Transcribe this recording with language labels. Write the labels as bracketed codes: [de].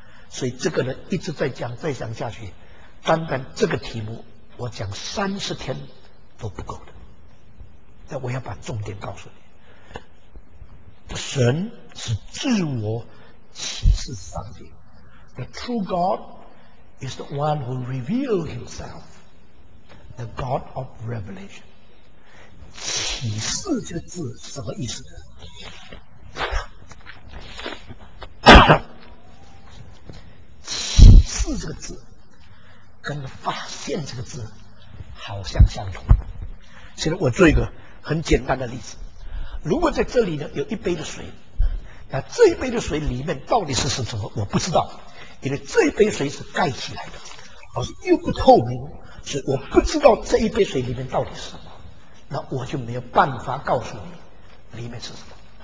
[zh] 所以这个呢，一直在讲，再讲下去，单单这个题目我讲30天都不够的。但我要把重点告诉你，神是自我启示上帝。 [en] The true God is the one who revealed himself, the God of revelation。 [zh] 启示这个字什么意思呢？启示这个字跟发现这个字好像相同。现在我做一个很简单的例子，如果在这里呢有一杯的水，那这一杯的水里面到底是什么我不知道，因为这一杯水是盖起来的，而是又不透明，所以我不知道这一杯水里面到底是什么，那我就没有办法告诉你里面是什么。